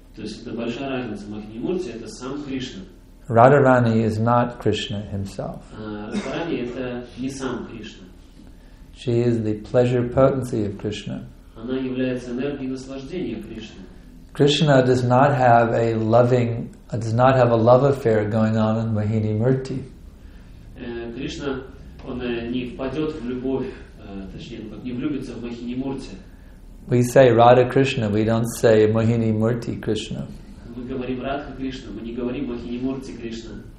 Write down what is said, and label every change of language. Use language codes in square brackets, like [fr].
[ru] То есть это большая разница. Mohini Murti это сам Кришна. [en] Radharani is not Krishna himself. [ru] Radharani это не сам Кришна. [en] She is the pleasure potency of Krishna. [ru] Она является энергией наслаждения Кришны. [en] Krishna does not have a loving, does not have a love affair going on in Mohini Murti. [ru] Кришна он не впадет в любовь, точнее, как не влюбится в Mohini Murti. [en] We say Radha Krishna, we don't say Mohini Murti Krishna. [ru] Мы говорим Радха Кришна, мы не говорим Махини Мурти Кришна.